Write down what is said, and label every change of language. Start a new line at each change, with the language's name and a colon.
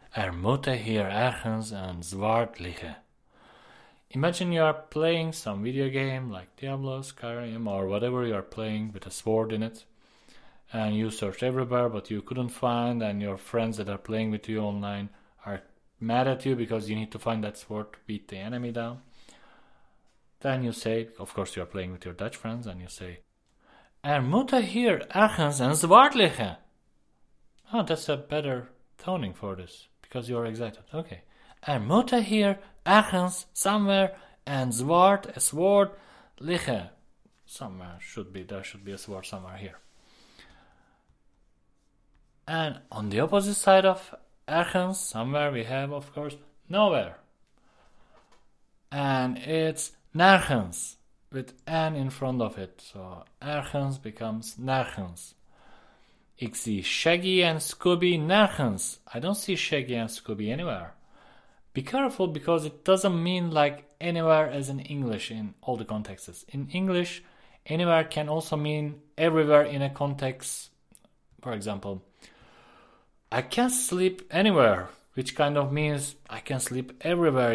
Dutch: Moeten hier ergens een zwaard liggen.
English: Imagine you are playing some video game like Diablo, Skyrim, or whatever you are playing with a sword in it. And you search everywhere but you couldn't find, and your friends that are playing with you online are mad at you because you need to find that sword to beat the enemy down. Then you say, of course you are playing with your Dutch friends, and you say,
Dutch: moeten hier ergens een zwaard liggen.
English: Oh, that's a better toning for this, because you're excited. Okay.
Dutch: Er moet hier ergens, somewhere, en zwart,
English: a sword,
Dutch: liggen.
English: Somewhere should be, there should be a sword somewhere here. And on the opposite side of ergens, somewhere, we have, of course, nowhere. And it's nergens, with N in front of it. So ergens becomes nergens.
Dutch: Ik zie Shaggy and Scooby nergens.
English: I don't see Shaggy and Scooby anywhere. Be careful, because it doesn't mean like anywhere as in English in all the contexts. In English, anywhere can also mean everywhere in a context. For example, I can sleep anywhere, which kind of means I can sleep everywhere.